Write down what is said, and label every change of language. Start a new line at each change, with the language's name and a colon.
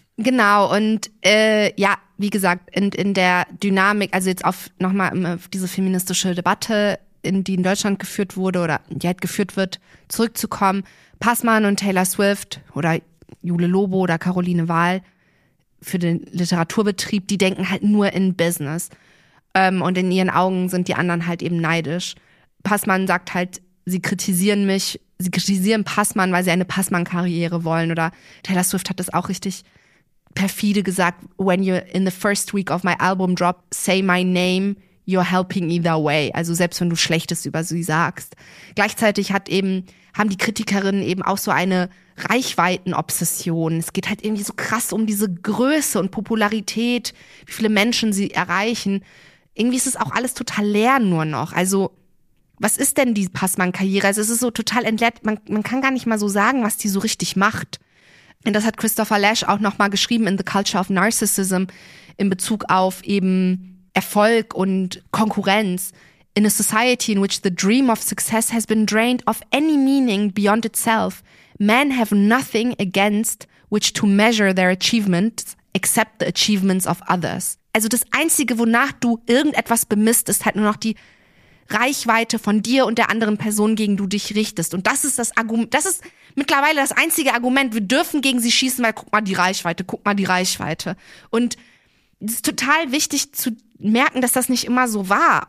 German: Genau, und ja, wie gesagt, in der Dynamik, also jetzt auf nochmal diese feministische Debatte, die in Deutschland geführt wurde oder die halt geführt wird, zurückzukommen, Passmann und Taylor Swift oder Jule Lobo oder Caroline Wahl für den Literaturbetrieb, die denken halt nur in Business. Und in ihren Augen sind die anderen halt eben neidisch. Passmann sagt halt, sie kritisieren mich, sie kritisieren Passmann, weil sie eine Passmann-Karriere wollen. Oder Taylor Swift hat das auch richtig perfide gesagt.
English: When you're in the first week of my album drop, say my name, you're helping either way.
German: Also selbst wenn du Schlechtes über sie sagst. Gleichzeitig haben die Kritikerinnen eben auch so eine Reichweiten-Obsession. Es geht halt irgendwie so krass um diese Größe und Popularität, wie viele Menschen sie erreichen. Irgendwie ist es auch alles total leer nur noch. Also was ist denn die Passmann-Karriere? Also es ist so total entleert. Man kann gar nicht mal so sagen, was die so richtig macht. Und das hat Christopher Lash auch nochmal geschrieben in The Culture of Narcissism in Bezug auf eben Erfolg und Konkurrenz.
English: In a society in which the dream of success has been drained of any meaning beyond itself, men have nothing against which to measure their achievements except the achievements of others.
German: Also das Einzige, wonach du irgendetwas bemisst, ist halt nur noch die Reichweite von dir und der anderen Person, gegen du dich richtest. Und das ist das Argument, das ist mittlerweile das einzige Argument. Wir dürfen gegen sie schießen, weil guck mal die Reichweite. Und es ist total wichtig zu merken, dass das nicht immer so war.